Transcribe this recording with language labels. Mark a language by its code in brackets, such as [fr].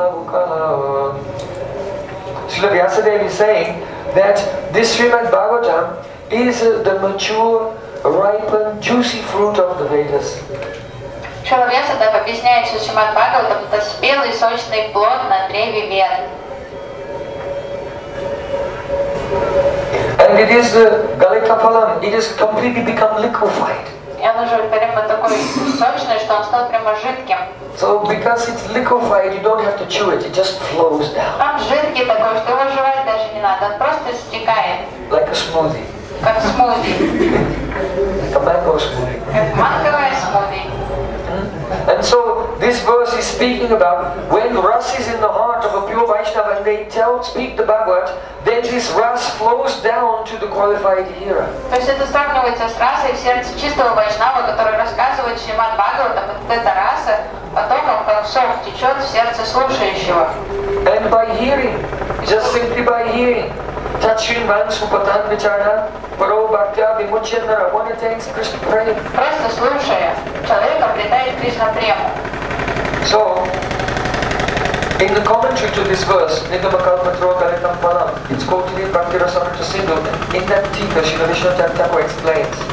[en] Srila Vyasadeva is saying that this Srimad Bhagavatam is the mature, ripened, juicy fruit of the Vedas. [ru] Шрила Вьясадева объясняет, что Шримад Бхагаватам — это спелый, сочный плод на древе Вед. [en] And it is galita phalam, it is completely become liquefied. [ru] И он уже прямо такой сочный, что он стал прямо жидким. [en] So because it's liquefied, you don't have to chew it, it just flows down. [ru] Там жидкий такой, что его жевать даже не надо, он просто стекает. [en] Like a smoothie. [ru] Как смузи. [en] Like a mango smoothie. [ru] Как манговая смузи. [en] And so this verse is speaking about when Ras is in the heart of a pure Vaishnava and they tell, speak the Bhagavat, then this Ras flows down to the qualified hearer. [ru] То есть это сталкивается с Расой в сердце чистого Вайшнава, который рассказывает Шримад Бхагаватам, вот эта Раса потоком концов течет в сердце слушающего. [en] And by hearing, just simply by hearing, [sa] Tatshin Vansu Patan Vichara, Paro Bhaktya Vimuchyatara, [en] one attains Krishna Prem. [ru] Просто слушая, человек обретает Кришна Прему. [en] So, In the commentary to this verse, Nidamakalpatrogalitamparam, it's quoted in Bhaktirasamrita Sindhu. In that tika, Srila Vishnu Thakur explains.